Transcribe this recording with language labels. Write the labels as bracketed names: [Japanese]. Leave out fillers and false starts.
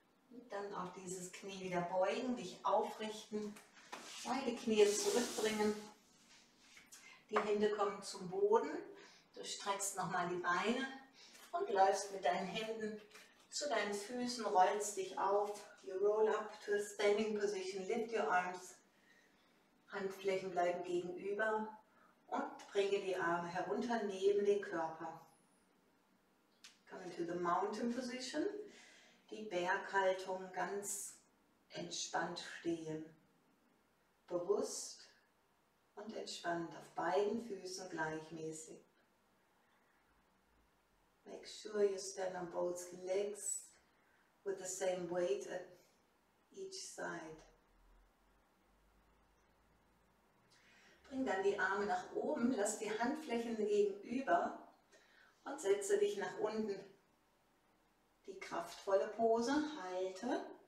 [German] Und dann auch dieses Knie wieder beugen, dich aufrichten. Beide Knie zurückbringen. Die Hände kommen zum Boden. Du streckst nochmal die Beine. Und läufst mit deinen Händen zu deinen Füßen, rollst dich auf. [English] You roll up to a standing position, lift your arms. [German] Handflächen bleiben gegenüber und bringe die Arme herunter neben den Körper. [English] Come into the mountain position, [German] die Berghaltung ganz entspannt stehen. Bewusst und entspannt, auf beiden Füßen gleichmäßig. [English] Make sure you stand on both legs with the same weight at each side. [German] Bring dann die Arme nach oben, lass die Handflächen gegenüber und setze dich nach unten. Die kraftvolle Pose, halte.